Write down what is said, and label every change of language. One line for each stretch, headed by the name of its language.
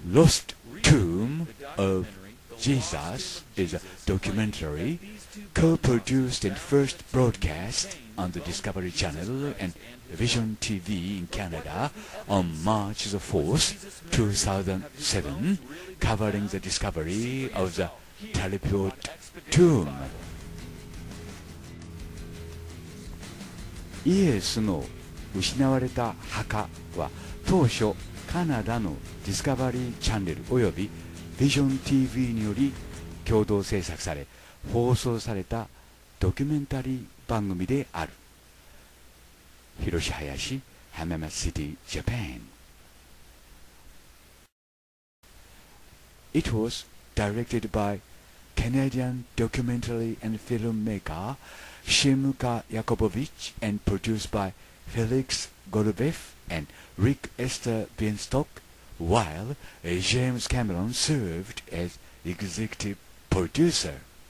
English: The Lost Tomb of Jesus is a documentary co-produced and first broadcast on the Discovery Channel and Vision TV in Canada on March the 4th, 2007, covering the discovery of the Talipot Tomb.
Japanese: イエスの失われた墓は当初カナダのディスカバリーチャンネルおよびビジョン TV により共同制作され放送されたドキュメンタリー番組である。広志林、浜松シティ、ジャパン。
English: It was directed by Canadian documentary and filmmaker Shimka Yakubovich and produced byFelix Golubev and Rick Esther Beanstalk, while James Cameron served as executive producer.